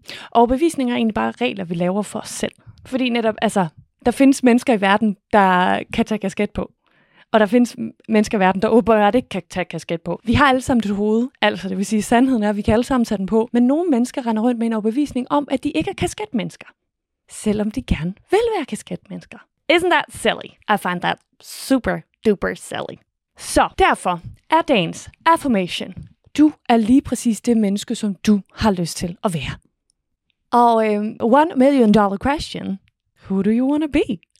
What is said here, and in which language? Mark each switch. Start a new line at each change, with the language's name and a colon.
Danish: Overbevisninger er egentlig bare regler, vi laver for os selv. Fordi netop, altså, der findes mennesker i verden, der kan tage kasket på. Og der findes mennesker i verden, der åbenbart ikke kan tage kasket på. Vi har alle sammen det hoved, altså det vil sige, sandheden er, at vi kan alle sammen tage den på. Men nogle mennesker render rundt med en overbevisning om, at de ikke er kasketmennesker. Selvom de gerne vil være kasketmennesker.
English: Isn't that silly? I find that super duper silly.
Danish: Så derfor er dagens affirmation, du er lige præcis det menneske, som du har lyst til at være.
English: Og $1 million question, who do you want to be?